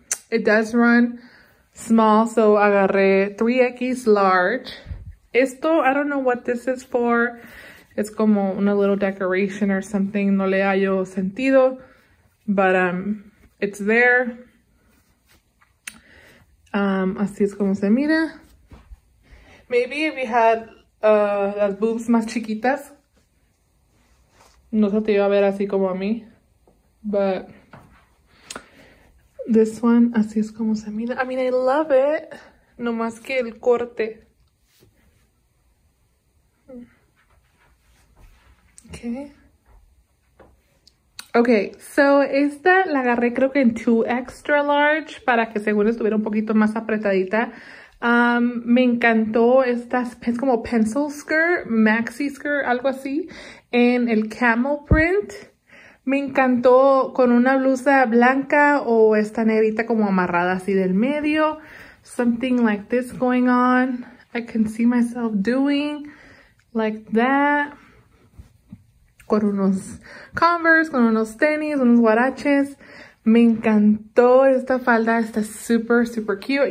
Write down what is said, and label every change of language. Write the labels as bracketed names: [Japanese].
[English] It does run small, so [Spanish] agarré [English] 3X large. [Spanish] Esto, [English] I don't know what this is for. It's [Spanish] como una [English] little decoration or something. [Spanish] No le hallo sentido, [English] but it's there. [Spanish] Así es como se mira. [English] Maybe if you had [Spanish] las boobs más chiquitas, no se te iba a ver así como a mí. [English] But this one, [Spanish] así es como se mira. [English] I mean, I love it. [Spanish] No más que el corte. Ok, so esta la agarré creo que en 2 extra large para que según estuviera un poquito más apretadita. Me encantó esta, es como [English] pencil skirt, maxi skirt, [Spanish] algo así, en el camel print. Me encantó con una blusa blanca o esta negrita como amarrada así del medio. [English] Something like this going on. I can see myself doing like that. [Spanish] Con unos Converse, con unos tenis, unos huaraches. Me encantó esta falda. Está súper, súper cute.